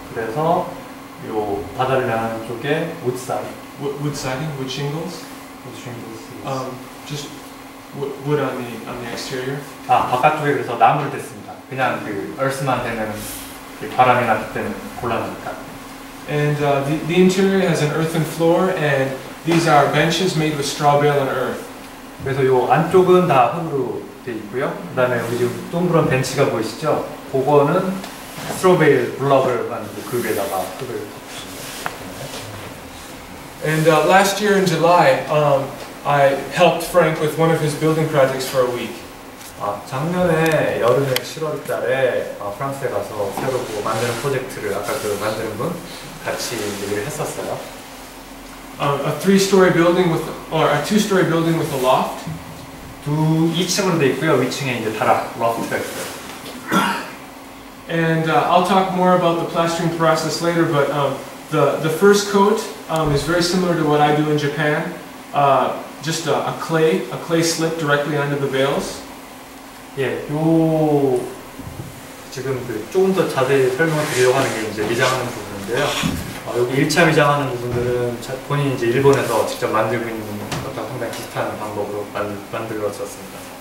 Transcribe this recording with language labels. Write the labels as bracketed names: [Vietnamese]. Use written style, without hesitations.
[Korean] 그래서 이 바다를 면하는 쪽에 wood siding. [English] Wood siding, wood shingles. Wood shingles. Just wood on the exterior. [Korean] 아 바깥쪽에 그래서 나무를 댔습니다. 그냥 그 earth만 되면 바람이 나기 때문에 곤란하니까. [English] And the interior has an earthen floor, and these are benches made with straw bale and earth. [Korean] 그래서 요 안쪽은 다 흙으로 돼 있고요. 그다음에 우리 지금 동그란 벤치가 보이시죠? 그거는 스트로베일 블럭을 만들고 그 위에다가 흙을. [English] And last year in July, I helped Frank with one of his building projects for a week. [Korean] 아, 작년에 여름에 7월달에 프랑스에 가서 새로 뭐 만드는 프로젝트를 아까 그 만드는 분 같이 얘기를 했었어요. [English] A three-story building with, or a two-story building with a loft. [Korean] 2층으로 돼 있고요. 위층에 이제 다락, loft가 있어요. [English] And I'll talk more about the plastering process later, but the first coat is very similar to what I do in Japan. Just a clay slip directly onto the bales. [Korean] 예, 요 지금 그 조금 더 자세히 설명을 드리려고 하는 게 이제 위장하는 부분인데요. 여기 1차 위장하는 부분들은 본인이 이제 일본에서 직접 만들고 있는 것과 상당히 비슷한 방법으로 만들어졌습니다.